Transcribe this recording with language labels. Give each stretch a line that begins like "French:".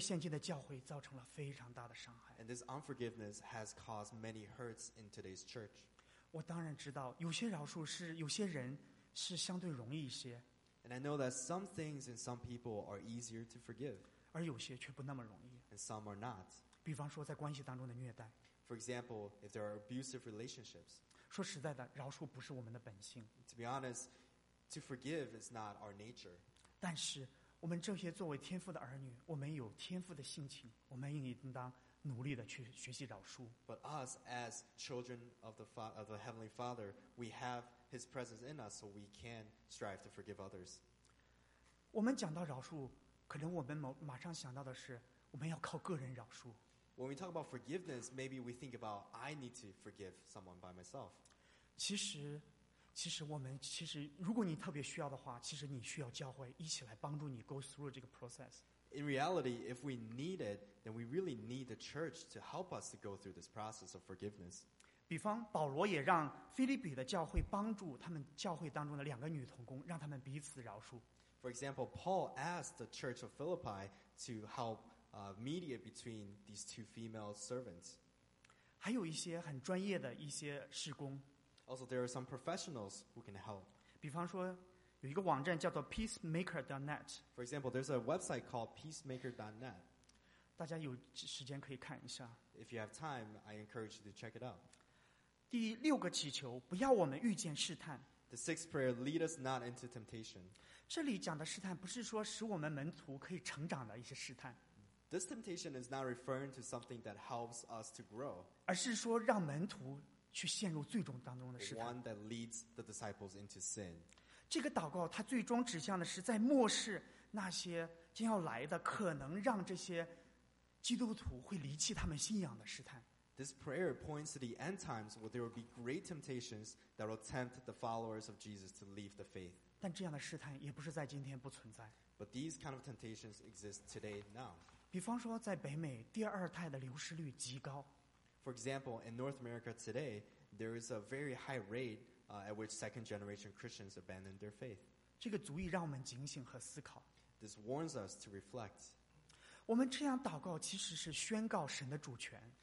Chinese: 而这种不饶恕对现今的社会，对现今的教会造成了非常大的伤害。
English: And this unforgiveness has caused many hurts in today's church.
Chinese: 我当然知道，有些饶恕是有些人是相对容易一些。
English: And I know that some things and some people are easier to forgive.
Chinese: 而有些却不那么容易。
English: And some are not.
Chinese: 比方说在关系当中的虐待。
English: For example, if there are abusive relationships.
Chinese: 说实在的，饶恕不是我们的本性。
English: To be honest, to forgive is not our nature.
Chinese: 但是我们这些作为天父的儿女，我们有天父的性情，我们应当努力的去学习饶恕。
English: But us as children of the Heavenly Father, we have His presence in us, so we can strive to forgive others.
Chinese: 我们讲到饶恕，可能我们马上想到的是，我们要靠个人饶恕。
English: When we talk about forgiveness, maybe we think about I need to forgive someone by myself.
Chinese: 其实我们其实如果你特别需要的话，其实你需要教会一起来帮助你
English: go through
Chinese: 这个
English: process. In reality, if we need it, then we really need the church to help us to go through this process of forgiveness.
Chinese: 比方保罗也让腓立比的教会帮助他们教会当中的两个女同工，让他们彼此饶恕。
English: For example, Paul asked the church of Philippi to help mediate between these two female servants.
Chinese: 还有一些很专业的一些事工。
English: Also, there are some professionals who can help.
Chinese: 比方说，有一个网站叫做 peacemaker.net.
English: For example, there's a website called peacemaker.net.
Chinese: 大家有时间可以看一下。
English: If you have time, I encourage you to check it out.
Chinese: 第六个祈求，不要我们遇见试探。
English: The sixth prayer, lead us not into temptation.
Chinese: 这里讲的试探不是说使我们门徒可以成长的一些试探。
English: This temptation is not referring to something that helps us to grow.
Chinese: 而是说让门徒去陷入最终当中的试探。
English: One that leads the disciples into sin.
Chinese: 这个祷告它最终指向的是在末世那些将要来的可能让这些基督徒会离弃他们信仰的试探。
English: This prayer points to the end times where there will be great temptations that will tempt the followers of Jesus to leave the faith.
Chinese: 但这样的试探也不是在今天不存在。
English: But these kind of temptations exist today now.
Chinese: 比方说在北美第二胎的流失率极高。
English: For example, in North America today, there is a very high rate at which second-generation Christians abandon their faith.
Chinese: 这个足以让我们警醒和思考。
English: This warns us to reflect.
Chinese: 我们这样祷告其实是宣告神的主权。